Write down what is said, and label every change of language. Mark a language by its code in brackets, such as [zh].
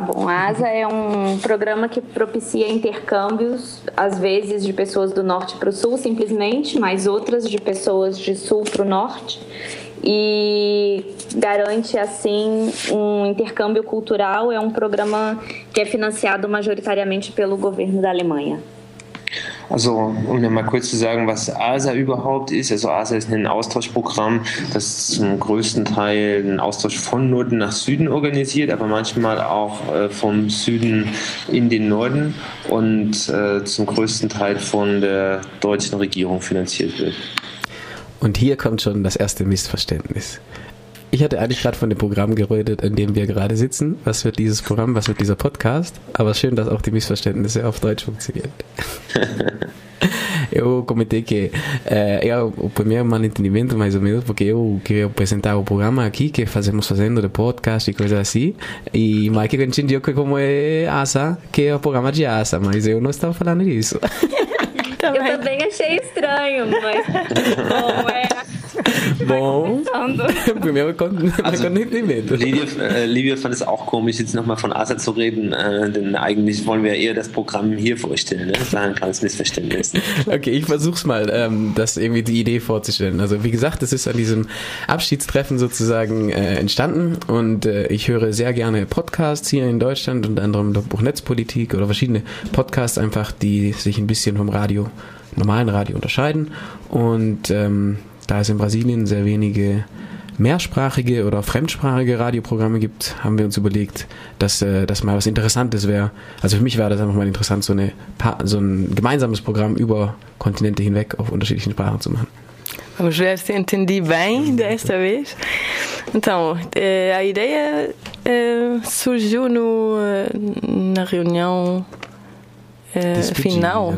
[pt] Bom, a ASA é um programa que propicia intercâmbios, às vezes de pessoas do norte para o sul, simplesmente, mas outras de pessoas de sul para o norte, e garante, assim, um intercâmbio cultural. É um programa que é financiado majoritariamente pelo governo da Alemanha. [de] Also, um mir mal kurz zu sagen, was ASA überhaupt ist. Also ASA ist ein Austauschprogramm, das zum größten Teil einen Austausch von Norden nach Süden organisiert, aber manchmal auch vom Süden in den Norden und zum größten Teil von der deutschen Regierung finanziert wird. Und hier kommt schon das erste Missverständnis. Ich hatte eigentlich gerade von dem Programm geredet, in dem wir gerade sitzen. Was wird dieses Programm, was wird dieser Podcast? Aber schön, dass auch die Missverständnisse auf Deutsch funktionieren. [pt] Eu comentei que era o primeiro malentendimento, mais ou menos, porque eu queria apresentar o programa aqui, que fazemos fazendo de podcast e coisas assim, e Mike entendeu que como é ASA, que é o programa de ASA, mas eu não estava falando disso. Eu também achei estranho, mas bom, primeiro Konditimento. [de] Livia fand es auch komisch, jetzt nochmal von ASA zu reden, denn eigentlich wollen wir eher das Programm hier vorstellen. Ne? Das war ein kleines Missverständnis. Okay, ich versuch's mal, das irgendwie die Idee vorzustellen. Also wie gesagt, es ist an diesem Abschiedstreffen sozusagen entstanden und ich höre sehr gerne Podcasts hier in Deutschland, unter anderem Logbuch Netzpolitik oder verschiedene Podcasts einfach, die sich ein bisschen vom Radio, normalen Radio unterscheiden. Und da es in Brasilien sehr wenige mehrsprachige oder fremdsprachige Radioprogramme gibt, haben wir uns überlegt, dass das mal was Interessantes wäre. Also für mich wäre das einfach mal interessant, so ein gemeinsames Programm über Kontinente hinweg auf unterschiedlichen Sprachen zu machen. [pt] Vamos ver se entendi bem desta vez. Então, a ideia surgiu na reunião final.